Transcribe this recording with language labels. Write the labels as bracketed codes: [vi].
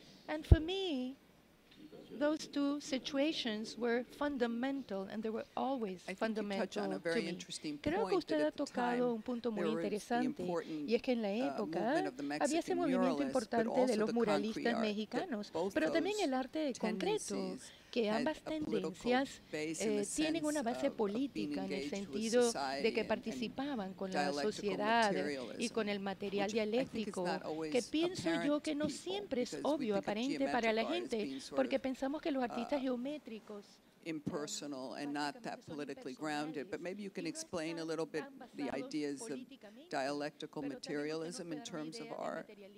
[en] And for me, those two situations were fundamental, and they were always fundamental to me. I think you touched on a very interesting point that at the time, there was the important movement of the Mexican muralists, but also the concrete art, both those tendencies. [es] Que ambas tendencias tienen una base política en el sentido de que participaban con la sociedad y con el material dialéctico, que pienso yo que no siempre es obvio, aparente para la gente, porque pensamos que los artistas geométricos [en] impersonal and not that politically grounded, but maybe you can explain a little bit the ideas of dialectical materialism in terms of art.